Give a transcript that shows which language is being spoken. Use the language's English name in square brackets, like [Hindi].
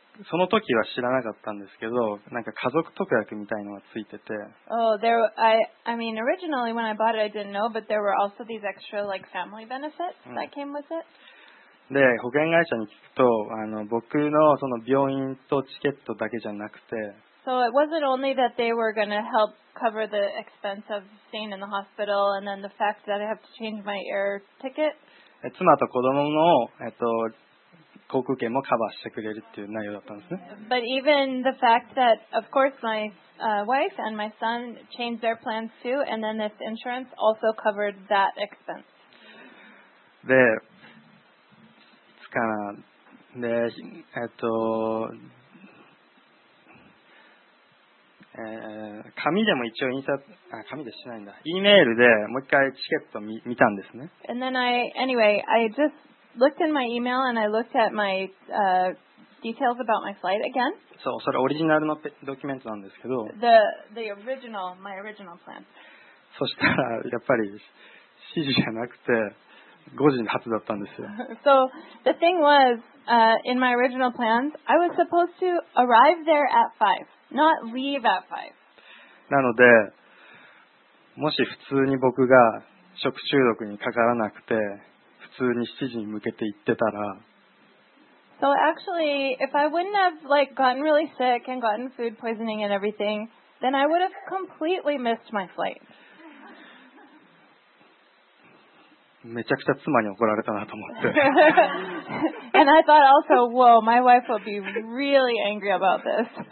[Japanese] その時は知らなかったんですけど、なんか家族特約みたいのがついてて。 [English] Oh, there, I mean, originally when I bought it, I didn't know, but there were also these extra, like, family benefits that came with it. [Japanese] で、保険会社に聞くと、僕のその病院とチケットだけじゃなくて、 [English] So it wasn't only that they were going to help cover the expense of staying in the hospital and then the fact that I have to change my air ticket. [Japanese] 妻と子供の、航空券もカバーしてくれるっていう内容だったんですね。 [English] But even the fact that, of course, my wife and my son changed their plans too, and then this insurance also covered that expense. [Japanese] で、つかな、で、紙でも一応印刷、あ、紙でしないんだ。 E メールでもう一回チケット 見たんですね。 [English] And then I, anyway, I just looked in my email and I looked at my details about my flight again. [Japanese] そう、それオリジナルのドキュメントなんですけど。 [English] The original, my original plan. [Japanese] そしたら、やっぱり、7時じゃなくて、5時発だったんですよ。 [English] So, the thing was, in my original plans, I was supposed to arrive there at 5. Not leave at 5. [Japanese] なので、もし普通に僕が食中毒にかからなくて、普通に7時に向けて行ってたら、 [English] So actually, if I wouldn't have like gotten really sick and gotten food poisoning and everything, then I would have completely missed my flight. [Japanese] めちゃくちゃ妻に怒られたなと思って。 [English] And I thought also, whoa, my wife will be really angry about this.